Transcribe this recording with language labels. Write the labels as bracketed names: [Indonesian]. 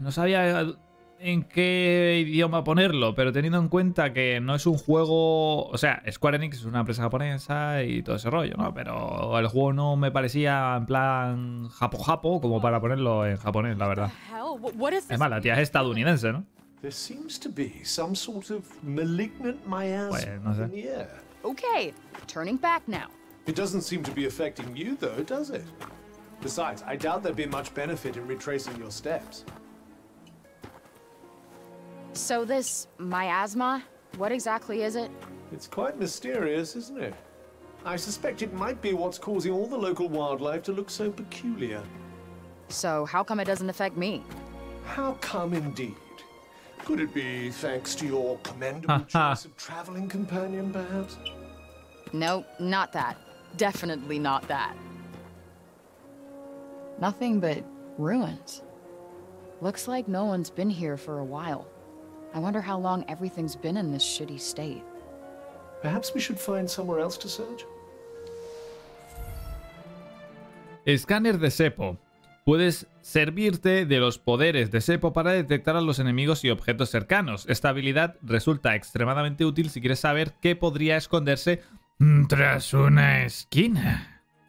[Spanish] No sabía en qué idioma ponerlo, pero teniendo en cuenta que no es un juego... O sea, Square Enix es una empresa japonesa y todo ese rollo, ¿no? Pero el juego no me parecía en plan japo-japo como para ponerlo en japonés, la verdad. Además, la tía es estadounidense, ¿no? [English] There seems to be some sort of malignant miasma in the air. Okay, turning back now. It doesn't seem to be affecting you, though, does it? Besides, I doubt there'd be much benefit in retracing your steps. So this miasma, what exactly is it? It's quite mysterious, isn't it? I suspect it might be what's causing all the local wildlife to look so peculiar. So how come it doesn't affect me? How come indeed? Could it be thanks to your commendable choice of traveling companion, perhaps? Nope, not that. Definitely not that. Nothing but ruins. Looks like no one's been here for a while. I wonder how long everything's been in this shitty state. Perhaps we should find somewhere else to search? [Spanish] Escáner de cepo. Puedes servirte de los poderes de Seppo para detectar a los enemigos y objetos cercanos. Esta habilidad resulta extremadamente útil si quieres saber qué podría esconderse tras una esquina.